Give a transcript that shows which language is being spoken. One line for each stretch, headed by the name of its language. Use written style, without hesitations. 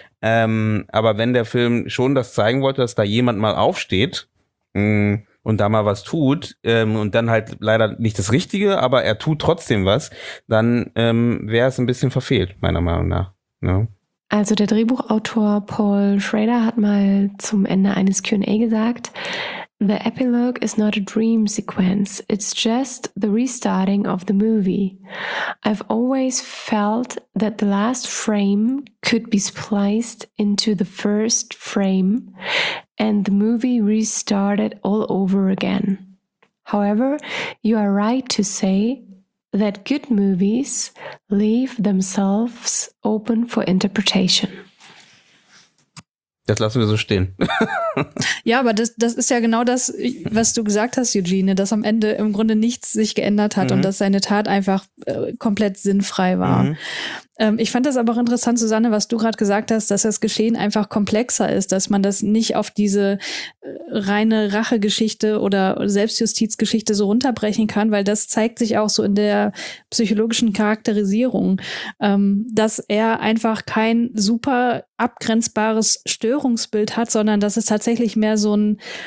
German: Aber wenn der Film schon das zeigen wollte, dass da jemand mal aufsteht und da mal was tut und dann halt leider nicht das Richtige, aber er tut trotzdem was, dann wäre es ein bisschen verfehlt, meiner Meinung nach. Ja. Also der Drehbuchautor Paul Schrader hat mal zum Ende eines Q&A gesagt,
English: "The epilogue is not a dream sequence. It's just the restarting of the movie. I've always felt that the last frame could be spliced into the first frame and the movie restarted all over again. However, you are right to say that good movies leave themselves open for interpretation."
German: Das lassen wir so stehen. Ja, aber das ist ja genau das, was du gesagt hast, Eugene, dass am Ende im Grunde nichts sich geändert hat und dass seine Tat einfach komplett sinnfrei war. Ich fand das aber auch interessant, Susanne, was du gerade gesagt hast, dass das Geschehen einfach komplexer ist, dass man das nicht auf diese reine Rachegeschichte oder Selbstjustizgeschichte so runterbrechen kann, weil das zeigt sich auch so in der psychologischen Charakterisierung, dass er einfach kein super abgrenzbares Störungsbild hat, sondern dass es tatsächlich mehr so ein